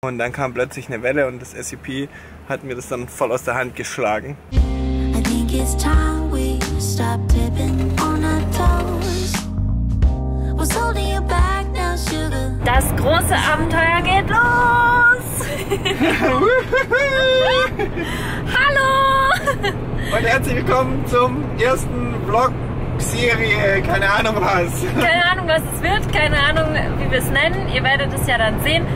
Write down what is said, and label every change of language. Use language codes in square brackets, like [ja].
[de] Und dann kam plötzlich eine Welle und das SCP hat mir das dann voll aus der Hand geschlagen. [en] I think it's time we stop tipping on our toes. What's holding you back now, sugar? [de] Das große Abenteuer geht los! Hallo! Und herzlich willkommen zum ersten Vlog-Serie. Keine Ahnung was. Keine Ahnung was es wird, keine Ahnung wie wir es nennen. Ihr werdet es ja dann sehen.